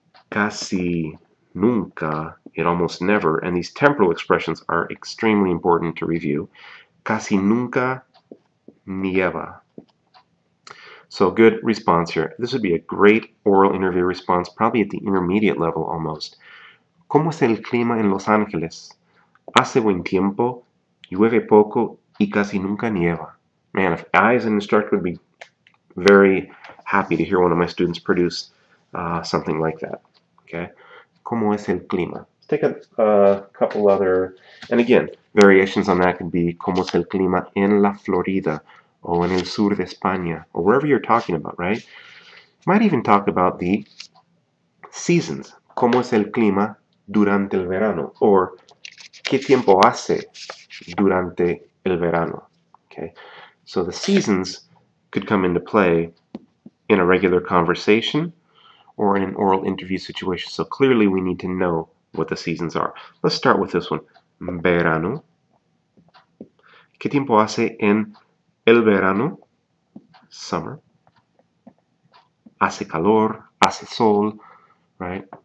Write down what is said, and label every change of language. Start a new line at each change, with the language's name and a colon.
Spanish: Casi nunca,
English: it almost never, and these temporal expressions are extremely important to review.
Spanish: Casi nunca nieva.
English: So good response here. This would be a great oral interview response, probably at the intermediate level almost.
Spanish: ¿Cómo es el clima en Los Ángeles? Hace buen tiempo, llueve poco y casi nunca nieva.
English: Man, if I as an instructor would be very happy to hear one of my students produce something like that. Okay.
Spanish: ¿Cómo es el clima?
English: Let's take a couple other, and again, variations on that could be
Spanish: ¿Cómo es el clima en la Florida? O en el sur de España,
English: or wherever you're talking about, right? You might even talk about the seasons.
Spanish: ¿Cómo es el clima durante el verano? Or, ¿qué tiempo hace durante el verano?
English: Okay, so the seasons could come into play in a regular conversation or in an oral interview situation. So clearly we need to know what the seasons are. Let's start with this one. Verano.
Spanish: ¿Qué tiempo hace en el verano, summer, hace calor, hace sol, right?